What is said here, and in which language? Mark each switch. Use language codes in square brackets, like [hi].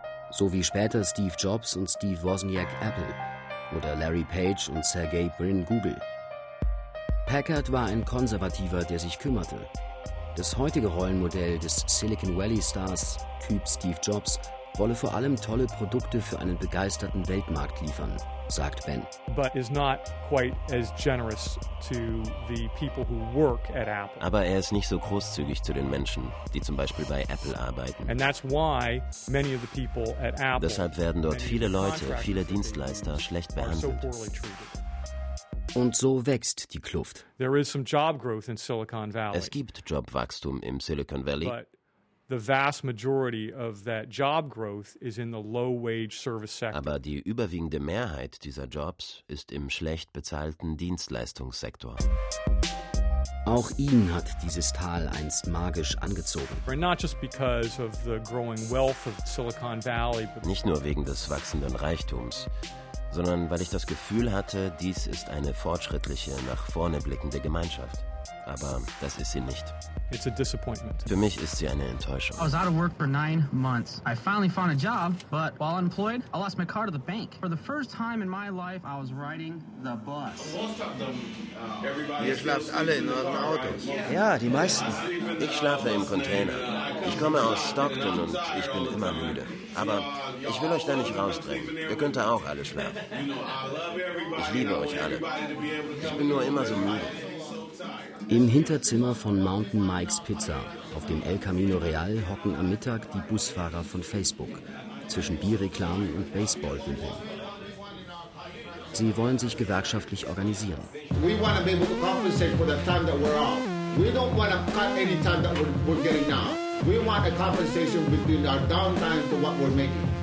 [de] So wie später Steve Jobs und Steve Wozniak Apple oder Larry Page und Sergey Brin Google. Packard war ein Konservativer, der sich kümmerte. Das heutige Rollenmodell des Silicon Valley Stars, Typ Steve Jobs, wolle vor allem tolle Produkte für einen begeisterten Weltmarkt liefern, sagt Ben. [en] But is not quite as generous to the people who work at Apple. [de] Aber er ist nicht so großzügig zu den Menschen, die zum Beispiel bei Apple arbeiten. [en] And that's why many of the people at Apple. [de] Deshalb werden dort viele Leute, viele Dienstleister schlecht behandelt. Und so wächst die Kluft. [en] There is some job growth in Silicon Valley. [de] Es gibt Jobwachstum im Silicon Valley. [en] The vast majority of that job growth is in the low-wage service sector. [de] Aber die überwiegende Mehrheit dieser Jobs ist im schlecht bezahlten Dienstleistungssektor. Auch ihn hat dieses Tal einst magisch angezogen. [en] Not just because of the growing wealth of Silicon Valley, but [de] nicht nur wegen des wachsenden Reichtums, sondern weil ich das Gefühl hatte, dies ist eine fortschrittliche, nach vorne blickende Gemeinschaft. Aber das ist sie nicht. [en] It's a disappointment. [de] Für mich ist sie eine Enttäuschung. [en] I was out of work for 9 months. I finally found a job, but while unemployed, I lost my car to the bank. For the first time in my life, I was riding the bus. [de] Ihr schlaft alle in euren Autos. Ja, die meisten. Ich schlafe im Container. Ich komme aus Stockton und ich bin immer müde. Aber ich will euch da nicht rausdrängen. Ihr könnt da auch alle schlafen. Ich liebe euch alle. Ich bin nur immer so müde. Im Hinterzimmer von Mountain Mike's Pizza auf dem El Camino Real hocken am Mittag die Busfahrer von Facebook zwischen Bierreklamen und Baseballbildern. Sie wollen sich gewerkschaftlich organisieren. [en] We want to be able to compensate for the time that we're off. We don't want to cut any time that we're getting now. We want a compensation between our downtime to what we're making.